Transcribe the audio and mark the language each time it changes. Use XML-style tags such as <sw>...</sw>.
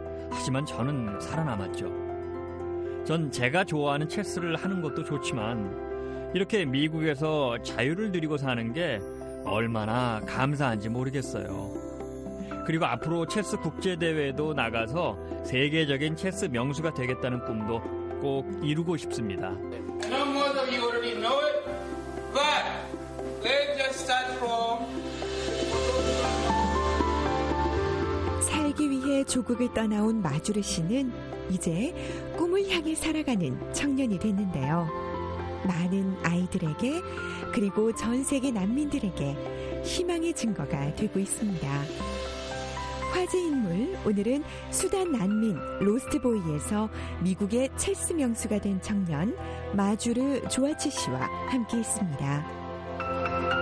<ko>하지만 저는 살아남았죠. 전 제가 좋아하는 체스를 하는 것도 좋지만 이렇게 미국에서 자유를 누리고 사는 게 얼마나 감사한지 모르겠어요. 그리고 앞으로 체스 국제대회에도 나가서 세계적인 체스 명수가 되겠다는 꿈도 꼭 이루고 싶습니다.</ko> <en>No more of you already know it, but let's just start from...</en> <ko>살기 위해 조국을 떠나온 마주르 씨는 이제 꿈을 향해 살아가는 청년이 됐는데요. 많은 아이들에게 그리고 전 세계 난민들에게 희망의 증거가 되고 있습니다. 화제 인물 오늘은 수단 난민 로스트보이에서 미국의 체스 명수가 된 청년 마주르 조아치 씨와 함께했습니다.</ko>